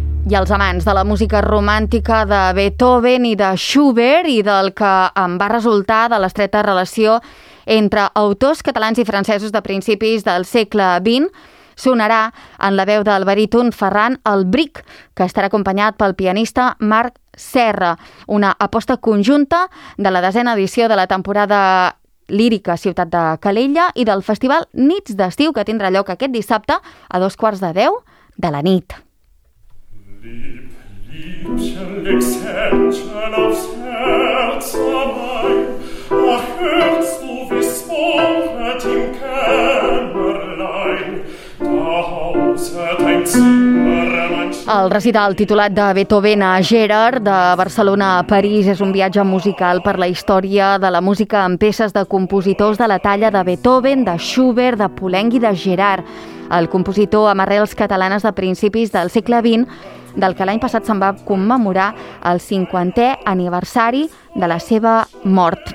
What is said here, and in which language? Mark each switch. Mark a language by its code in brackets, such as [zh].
[ca] I els amants de la música romàntica de Beethoven i de Schubert i del que en va resultar de l'estreta relació entre autors catalans i francesos de principis del segle XX, sonarà en la veu del baríton Ferran Albric, que estarà acompanyat pel pianista Marc Serra. Una aposta conjunta de la desena edició de la temporada lírica Ciutat de Calella i del festival Nits d'Estiu, que tindrà lloc aquest dissabte a 9:45 de la nit. [de] Liebchen, leg's Händchen aufs Herz, mein, ach, hörst du, wie's wohnet im Kämmerlein, da hauset ein Zimmer, mein Schmerz. [ca] El recital titulat de Beethoven a Gerard, de Barcelona a París, és un viatge musical per la història de la música amb peces de compositors de la talla de Beethoven, de Schubert, de Poulenc i de Gerard. El compositor amb arrels catalanes de principis del segle XX, del que l'any passat se'n va commemorar el 50è aniversari de la seva mort.